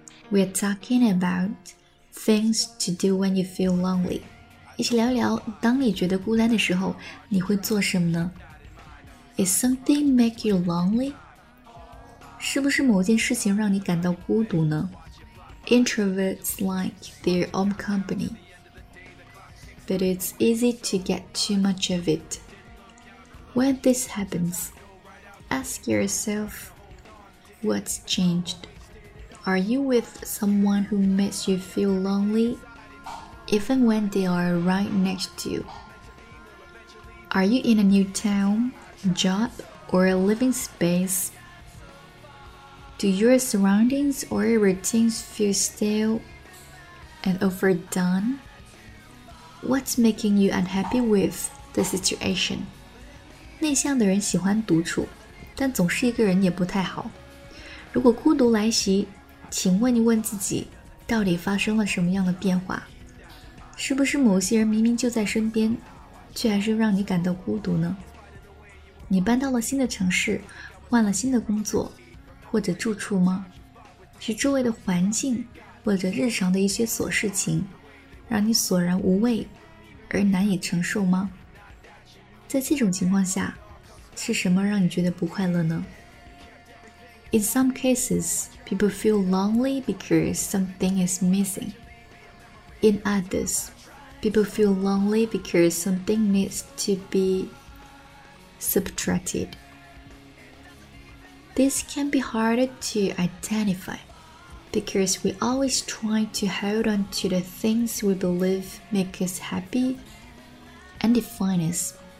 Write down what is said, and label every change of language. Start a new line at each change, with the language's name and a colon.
English: We're talking about things to do when you feel lonely，
Chinese: 一起聊聊当你觉得孤单的时候你会做什么呢？
English: Is something make you lonely？
Chinese: 是不是某件事情让你感到孤独呢？
English: Introverts like their own company, but it's easy to get too much of it. When this happens, ask yourself, what's changed? Are you with someone who makes you feel lonely, even when they are right next to you? Are you in a new town, job, or a living spaceDo your surroundings or your routines feel stale and overdone? What's making you unhappy with the situation?
Chinese: 内向的人喜欢独处，但总是一个人也不太好。如果孤独来袭，请问一问自己，到底发生了什么样的变化？是不是某些人明明就在身边，却还是让你感到孤独呢？你搬到了新的城市，换了新的工作，或者住处吗？是周围的环境或者日常的一些琐事情让你索然无味而难以承受吗？在这种情况下，是什么让你觉得不快乐呢？
English: In some cases, people feel lonely because something is missing. In others, people feel lonely because something needs to be subtracted. This can be harder to identify because we always try to hold on to the things we believe make us happy and define us.